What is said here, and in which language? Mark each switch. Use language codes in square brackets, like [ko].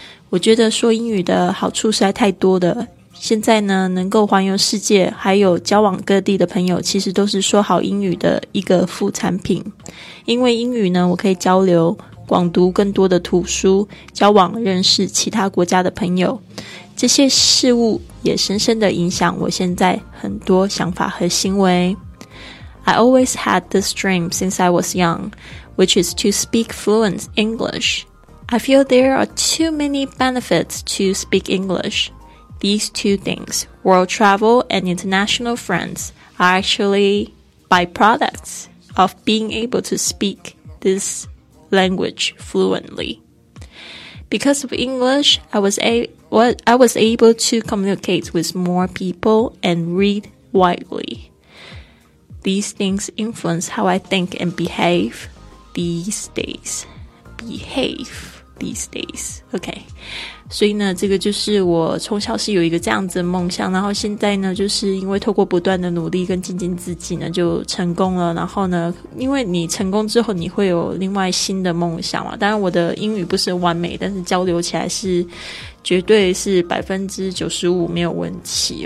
[zh] 我觉得说英语的好处实在太多了，现在呢能够环游世界还有交往各地的朋友，其实都是说好英语的一个副产品。因为英语呢我可以交流广读更多的图书，交往认识其他国家的朋友，这些事物也深深的影响我现在很多想法和行为。 [en] I always had this dream since I was young, which is to speak fluent EnglishI feel there are too many benefits to speak English. These two things, world travel and international friends, are actually byproducts of being able to speak this language fluently. Because of English, I was, a- I was able to communicate with more people and read widely. These things influence how I think and behave these days. Behave these days. Okay. [zh] 所以呢，这个就是我从小是有一个这样子的梦想，然后现在呢，就是因为透过不断的努力跟精进自己呢，就成功了。然后呢，因为你成功之后，你会有另外新的梦想嘛。当然我的英语不是完美，但是交流起来是绝对是 95% 没有问题。